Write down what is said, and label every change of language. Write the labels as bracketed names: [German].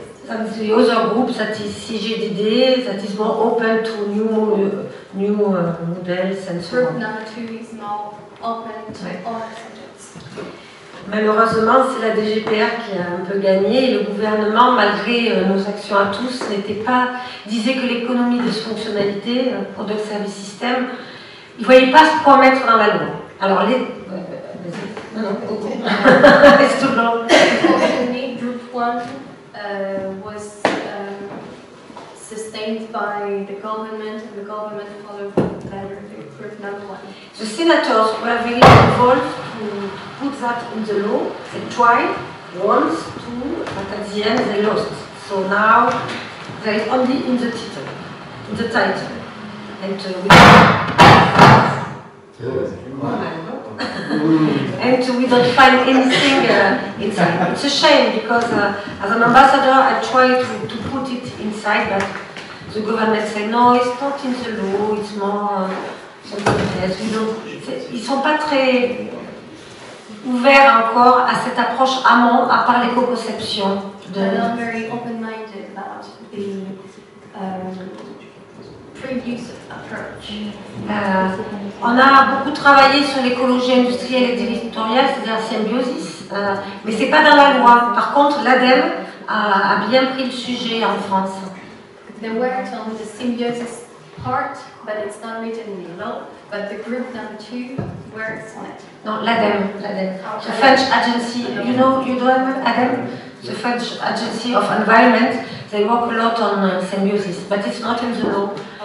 [English] some the other groups that is CGDD that is more open to new models and so on. Group number two is more open to all subjects. [French] Malheureusement, c'est la DGPR qui a un peu gagné et le gouvernement, malgré nos actions à tous, n'était pas, disait que l'économie des fonctionnalités, [English] product service system, [French] il ne voyait pas ce qu'on mettre dans la loi. Alors, les. C'est trop long. [English] Unfortunately, Group 1 was sustained by the government and the government followed by Group number 1. The senators were very involved to put that in the law. They tried once, two, but at the end they lost. So now they are only in the title. In the title. And we. And we don't find anything inside. It's a shame because as an ambassador I tried to put it inside, but the government said no, it's not in the law, it's more something else. [French] Ils ne sont pas très ouverts encore à cette approche amont à part l'éco-conception. [English] They're not very open-minded about the previous approach. [French] On a beaucoup travaillé sur l'écologie industrielle et territoriale, c'est-à-dire la symbiosis, mais ce n'est pas dans la loi. Par contre, l'ADEME a bien pris le sujet en France. [English] They worked on the symbiosis part, but it's not written in the law. But the group number two works on it. No, l'ADEME. The French agency, you know, you don't know ADEME? The French agency of environment, they work a lot on symbiosis, but it's not in the law.